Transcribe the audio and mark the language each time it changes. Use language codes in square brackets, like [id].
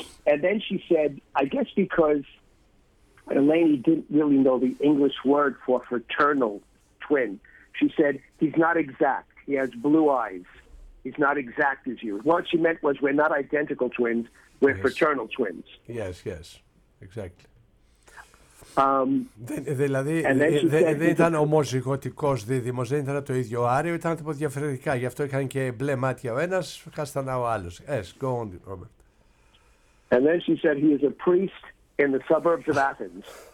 [en] And then she said, I guess because Eleni didn't really know the English word for fraternal twin. She said, he's not exact. He has blue eyes. He's not exact as you. What she meant was we're not identical twins, we're fraternal twins. Yes, yes, exactly. [el] Δηλαδή δεν ήταν ομοζυγωτικός δίδυμος, δεν ήταν το ίδιο άριο, ήταν από διαφορετικά. Γι' αυτό είχαν και μπλε μάτια ο ένας, χαστανά ο άλλος. [en] Yes, go on, Robert. And then she said he is a priest in the suburbs of Athens.